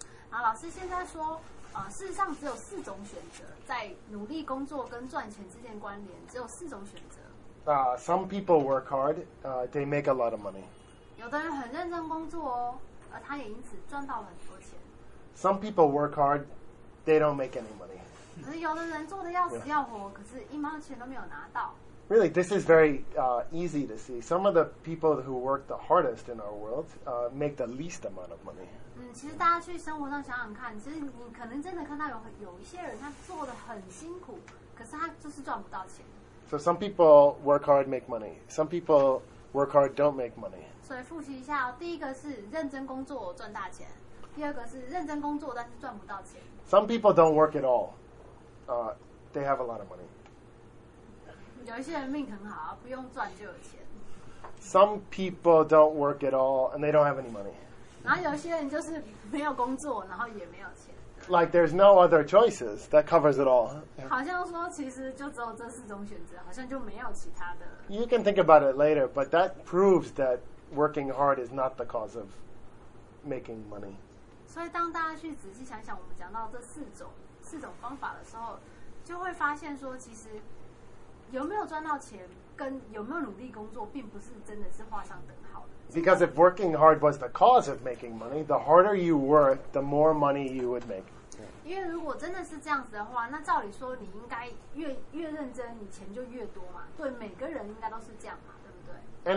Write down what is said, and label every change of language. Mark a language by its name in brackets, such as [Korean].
[Chinese] 啊，老师现在说，事实上只有四种选择，在努力工作跟赚钱之间关联，只有四种选择。 [English] Some people work hard. They make a lot of money. [Chinese] 有的人很认真工作哦，而他也因此赚到了很多钱。 [English] Some people work hard. They don't make any money. [Chinese] 可是有的人做的要死要活， yeah. 可是一毛钱都没有拿到。 [English] Really, this is very easy to see. Some of the people who work the hardest in our world make the least amount of money. [Chinese] 其实大家去生活上想想看，其实你可能真的看到有一些人他做得很辛苦，可是他就是赚不到钱。 [English] So some people work hard, make money. Some people work hard, don't make money. [Chinese] 所以复习一下，第一个是认真工作赚大钱，第二个是认真工作但是赚不到钱。 [English] Some people don't work at all. They have a lot of money. [Chinese] 有一些人命很好，不用赚就有钱。 [English] Some people don't work at all and they don't have any money. [Chinese] 然后有些人就是没有工作，然后也没有钱。 [English] Like there's no other choices that covers it all. [Chinese] 好像说其实就只有这四种选择，好像就没有其他的。 [English] You can think about it later, but that proves that working hard is not the cause of making money. [Chinese] 所以当大家去仔细想想，我们讲到这四种方法的时候，就会发现说其实有没有赚到钱跟有没有努力工作并不是真的是画上等号的。 [English] Because if working hard was the cause of making money, the harder you work, the more money you would make. [Chinese] 因为如果真的是这样子的话，那照理说你应该越认真，你钱就越多嘛。对，每个人应该都是这样嘛，对不对